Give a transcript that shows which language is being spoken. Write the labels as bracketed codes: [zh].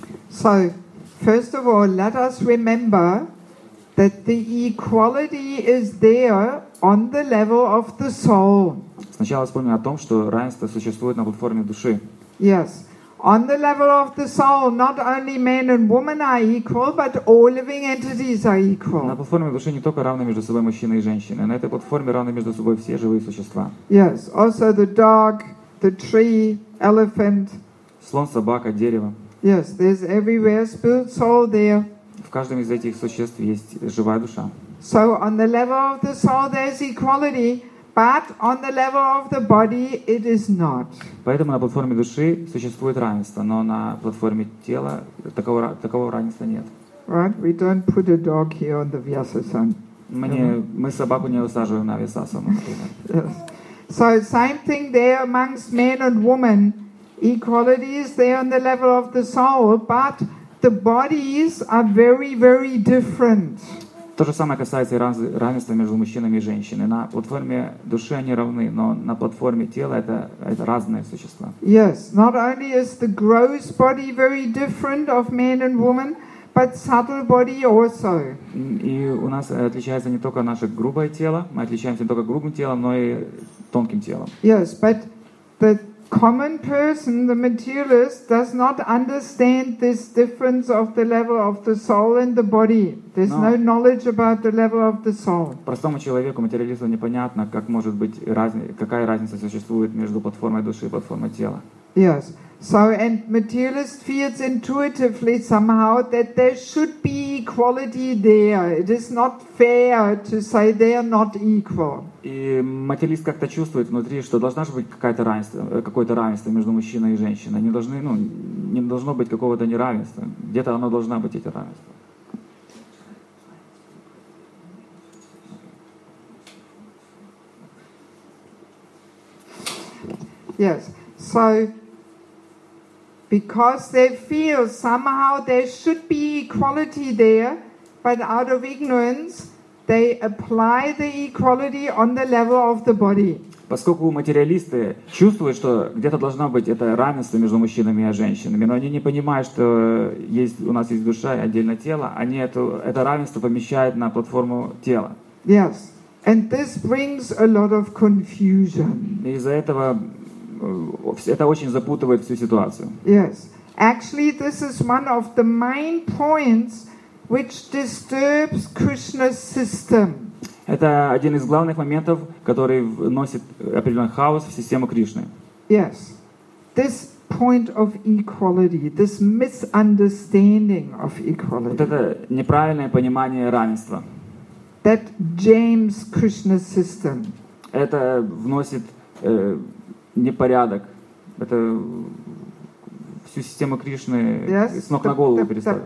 [en] So, first of all, let us remember that the equality is there on the level of the soul. [ru] Сначала вспомним о том, что равенство существует на платформе души. [en] Yes, on the level of the soul, not only men and women are equal, but all living entities are equal. [ru] На платформе души не только равны между собой мужчины и женщины, на этой платформе равны между собой все живые существа. [en] Yes, also the dog, the tree, elephant. [ru] Слон, собака, дерево. [en] Yes, there's everywhere spirit soul there. [ru] В каждом из этих существ есть живая душа. [en] So on the level of the soul, there's equality. But on the level of the body, it is not. [ru] Поэтому на платформе души существует равенство, но на платформе тела такого равенства нет. [en] Right? We don't put a dog here on the Vyasasana. [ru] Мы собаку не усаживаем на Vyasasana. [en] Yes. So same thing there amongst men and women. Equality is there on the level of the soul, but the bodies are very, very different. [ru] То же самое касается и равенства между мужчинами и женщинами. На платформе души они равны, но на платформе тела это разные существа. [en] Yes, not only is the gross body very different of men and women, but subtle body also. [ru] И у нас отличается не только наше грубое тело, мы отличаемся не только грубым телом, но и тонким телом. [en] Yes, but the common person, the materialist, does not understand this difference of the level of the soul and the body. There's no knowledge about the level of the soul. [ru] Простому человеку, материалисту, непонятно, как может быть какая разница существует между платформой души и платформой тела. [en] Yes. So, and materialist feels intuitively somehow that there should be equality there. It is not fair to say they are not equal. [ru] И материалист как-то чувствует внутри, что должна же быть какое-то равенство между мужчиной и женщиной. Не должно быть какого-то неравенства. Где-то оно должно быть, эти равенства. [en] Yes. So, because they feel somehow there should be equality there, but out of ignorance, they apply the equality on the level of the body. [ru] Поскольку материалисты чувствуют, что где-то должно быть это равенство между мужчинами и женщинами, но они не понимают, что есть у нас есть душа и отдельное тело, они это равенство помещают на платформу тела. [en] Yes, and this brings a lot of confusion. [ru] Из-за этого это очень запутывает всю ситуацию. [en] Yes. Actually, this is one of the main points which disturbs Krishna's system. [ru] Это один из главных моментов, который вносит определенный хаос в систему Кришны. [en] Yes. This point of equality, this misunderstanding of equality. [ru] Вот это неправильное понимание равенства. [en] That James Krishna's system. [ru] Это вносит непорядок. Это всю систему Кришны с ног на голову переставляет.